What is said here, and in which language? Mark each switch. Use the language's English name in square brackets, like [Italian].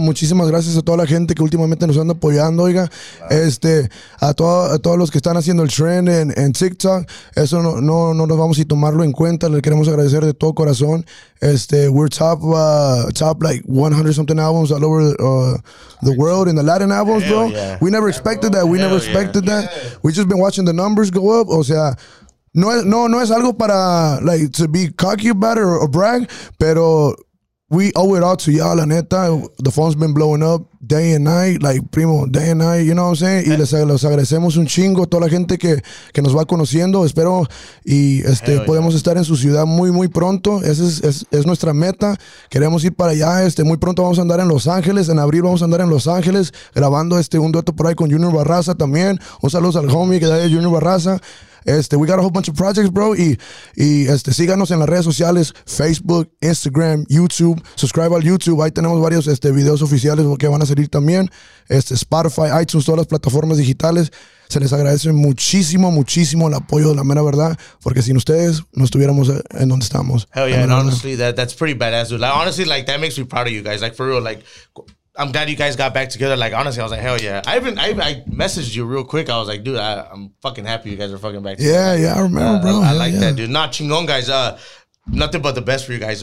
[Spanish] Muchísimas gracias a toda la gente que últimamente nos anda apoyando, oiga. Wow. A todos los que están haciendo el trend en TikTok. Eso no nos vamos a tomarlo en cuenta. Le queremos agradecer de todo corazón. [English] We're top like 100 something albums all over the world in the Latin albums, hell bro. Yeah. We never expected that. We just been watching the numbers go up. [Spanish] O sea, No es algo para, [English] like, to be cocky about it or brag, [Spanish] pero [English] we owe it all to y'all, [Spanish] la neta. [English] The phone's been blowing up day and night, like, primo, day and night, you know what I'm saying? [Spanish] Y les agradecemos un chingo a toda la gente que nos va conociendo. Espero y podemos estar en su ciudad muy, muy pronto. Esa es nuestra meta. Queremos ir para allá. Muy pronto vamos a andar en Los Ángeles. En abril vamos a andar en Los Ángeles grabando un dueto por ahí con Junior Barraza también. Un saludo al homie que da de Junior Barraza. [English] We got a whole bunch of projects, bro. [Spanish] Y síganos en las redes sociales, Facebook, Instagram, YouTube. Subscribe al YouTube. Ahí tenemos varios videos oficiales que van a salir también. Spotify, iTunes, todas las plataformas digitales. Se les agradece muchísimo, muchísimo el apoyo de la mera verdad. Porque sin ustedes, no estuviéramos en donde estamos. [English] Hell yeah, and honestly, that's pretty badass, dude. Like, honestly, like, that makes me proud of you guys. Like, for real, like... I'm glad you guys got back together. Like, honestly, I was like, hell yeah. I messaged you real quick. I was like, dude, I'm fucking happy you guys are fucking back together. Yeah, yeah, I remember, bro. I like that, dude. Not chingón, guys. Nothing but the best for you guys.